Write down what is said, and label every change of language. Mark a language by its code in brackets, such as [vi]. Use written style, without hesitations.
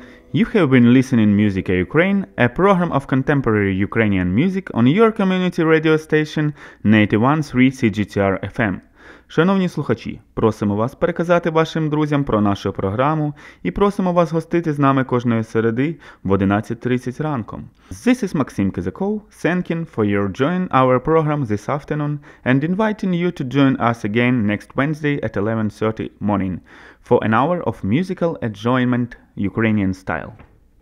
[en] You have been listening to Musica Ukraine, a program of contemporary Ukrainian music on your community radio station 91.3 CGTR FM. [uk] Шановні слухачі, просимо вас переказати вашим друзям про нашу програму і просимо вас гостити з нами кожної середи в 11.30 ранком. [en] This is Максим Кизаков, thanking for your joining our program this afternoon and inviting you to join us again next Wednesday at 11.30 morning for an hour of musical enjoyment Ukrainian style.